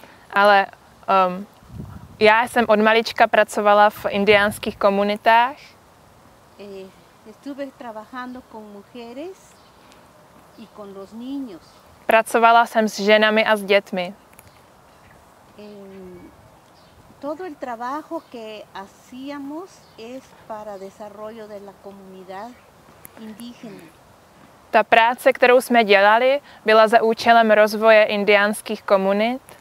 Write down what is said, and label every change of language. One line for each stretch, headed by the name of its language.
Czech: Ale já jsem od malička pracovala v indiánských komunitách.
Spanish: Estuve trabajando con mujeres y con los niños.
Czech: Pracovala jsem s ženami a s dětmi.
Spanish: Todo el trabajo que hacíamos es para desarrollo de la comunidad indígena.
Czech: Ta práce, kterou jsme dělali, byla za účelem rozvoje indiánských komunit.